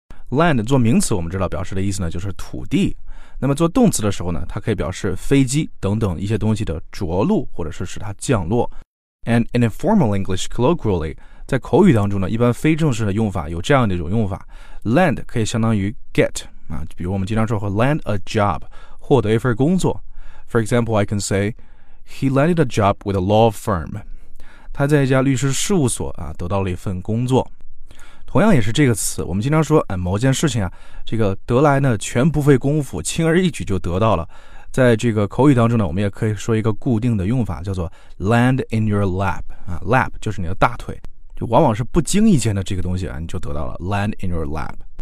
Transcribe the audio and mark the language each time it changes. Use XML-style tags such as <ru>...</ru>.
<zh>Land 做名词我们知道表示的意思呢就是土地，那么做动词的时候呢它可以表示飞机等等一些东西的着陆或者是使它降落。</zh> <en>And in informal English colloquially,</en> <zh>在口语当中呢一般非正式的用法有这样的一种用法， Land 可以相当于 get、啊、比如我们经常说和</zh> <en>land a job</en> <zh>获得一份工作。</zh> <en>For example, I can say He landed a job with a law firm.</en> <zh>他在一家律师事务所、啊、得到了一份工作。同样也是这个词，我们经常说、哎、某件事情啊，这个得来呢全不费功夫，轻而易举就得到了。在这个口语当中呢，我们也可以说一个固定的用法，叫做</zh> <en>land in your lap、</en> <zh>啊、lap 就是你的大腿，就往往是不经意间的这个东西啊，你就得到了 land in your lap。</zh>